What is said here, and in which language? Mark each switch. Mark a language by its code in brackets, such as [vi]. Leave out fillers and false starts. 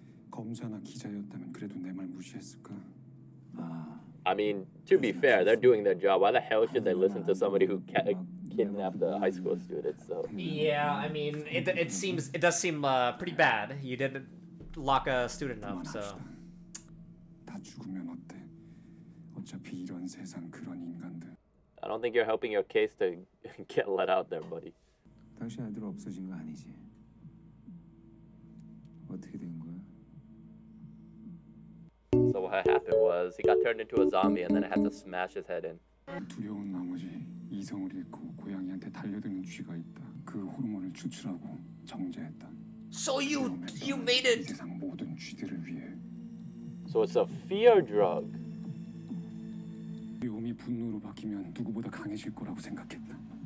[ko] 검사나 기자였다면 그래도 내 말 무시했을까? [en] I mean, to be fair, they're doing their job. Why the hell should they listen to somebody who kidnapped a high school student? So yeah, I mean, it does seem pretty bad. You did lock a student up, so. [ko] 다 죽으면 어때? 어차피 이런 세상 그런 인간들. [en] I don't think you're helping your case to get let out there, buddy. [ko] 당신 애들 없어진 거 아니지? 어떻게 된 거야? [en] So what happened was he got turned into a zombie and then I had to smash his head in. [ko] 두려운 나머지 이성을 잃고 고양이한테 달려드는 쥐가 있다. 그 호르몬을 추출하고 정제했다. [en] So you made it. [ko] 세상 모든 쥐들을 위해. [en] So it's a fear drug. [ko] 미움이 분노로 바뀌면 누구보다 강해질 거라고 생각했다.